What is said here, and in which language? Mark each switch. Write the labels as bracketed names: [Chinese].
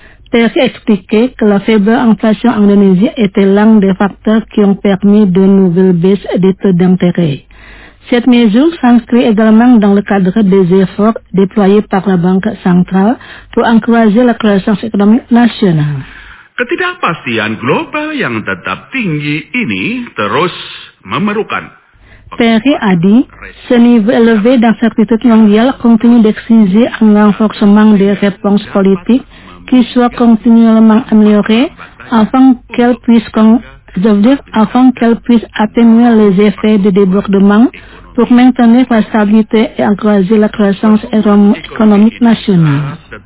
[French] Pierre expliquait que la faible inflation en Indonésie était l'un des facteurs qui ont permis de nouvelles baisses des taux d'intérêt. Cette mesure s'inscrit également dans le cadre des efforts déployés par la Banque centrale pour encourager la croissance économique nationale. [Indonesian] Ketidakpastian global yang tetap tinggi ini terus memerlukan. [French] Perry a dit, ce niveau élevé d'incertitude mondiale continue d'exiger un renforcement des réponses politiques qui soient continuellement améliorées afin qu'elles puissent atténuer les effets de débordement pour maintenir la stabilité et encourager la croissance économique nationale.